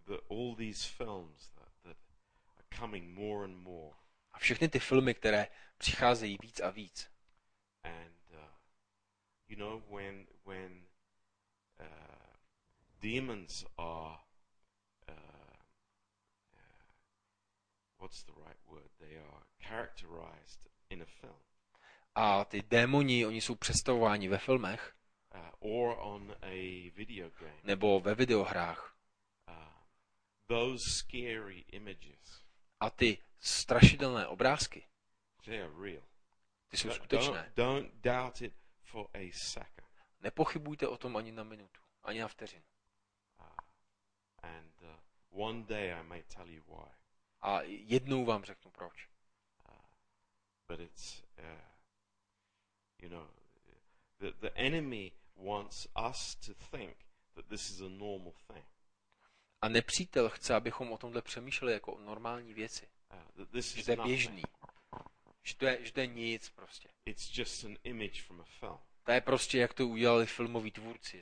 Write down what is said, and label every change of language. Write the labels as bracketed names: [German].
[English] All these films that are coming more and more. [Czech] A všechny ty filmy, které přicházejí víc a víc. [English] And you know, when demons are what's the right word? They are characterized in a film. [Czech] A ty démoni, oni jsou představováni ve filmech. [English] Or on a video game. [Czech] Nebo ve videohrách. [English] Those scary images. [Czech] A ty strašidelné obrázky. [English] They are real. [Czech] Ty jsou skutečné. [English] Don't doubt it for a second. [Czech] Nepochybujte o tom ani na minutu, ani na vteřinu. [English] And one day I may tell you why. [Czech] A jednou vám řeknu proč. [English] But it's you know, the enemy wants us to think that this is a normal thing. [Czech] A nepřítel chce, abychom o tomhle přemýšleli jako o normální věci. Že to je běžný. Že to je nic prostě. [English] It's just an image from a film. [Czech] To je prostě, jak to udělali filmoví tvůrci.